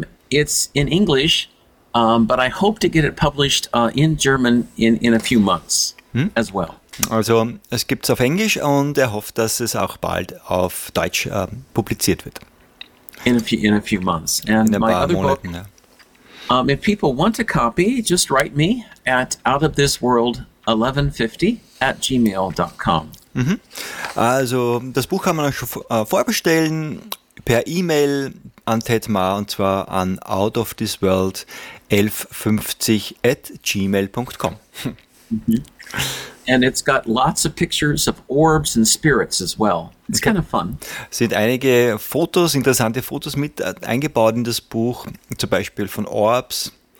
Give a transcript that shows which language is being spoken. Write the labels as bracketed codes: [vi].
[en] It's in English, but I hope to get it published in German in a few months as well. [de] Also, es gibt's auf Englisch und er hofft, dass es auch bald auf Deutsch publiziert wird. [en] In a few months. And in my [de] paar [en] other [de] Monaten, [en] book, [de] ja. [en] If people want a copy, just write me at outofthisworld1150@gmail.com. [de] Also, das Buch kann man auch schon vorbestellen per E-Mail an Ted Maher und zwar an outofthisworld1150@gmail.com. [en] And it's got lots of pictures of orbs and spirits as well. It's kind of fun. [de] Sind einige Fotos, interessante Fotos mit eingebaut in das Buch, zum Beispiel von Orbs.